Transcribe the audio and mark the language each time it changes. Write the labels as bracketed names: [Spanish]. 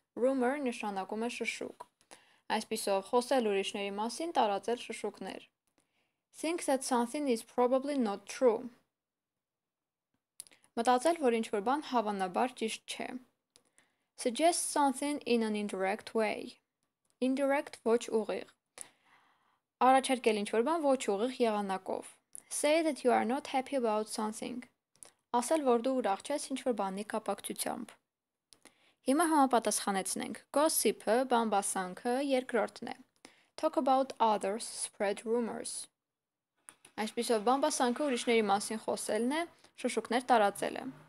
[Armenian] Rumor նշանակում է շշուկ։ Այսպիսով խոսել ուրիշների մասին, տարածել շշուկներ։ [English] Think that something is probably not true, [Armenian] Մտածել, որ ինչ-որ բան հավանաբար ճիշտ չէ. [English] Suggest something in an indirect way. [Armenian] Indirect ոչ ուղիղ. Առաջարկել ինչ-որ բան ոչ ուղիղ եղանակով. [English] Say that you are not happy about something. [Armenian] Ասել, որ դու ուրախ չես ինչ-որ բանի կապակցությամբ. Հիմա համապատասխանեցնենք. Gossip-ը, բամբասանքը, երկրորդն է. [English] Talk about others, spread rumors. [Armenian] Այսպիսով, բամբասանքը ուրիշների մասին խոսելն է, շոշուկներ տարածելը.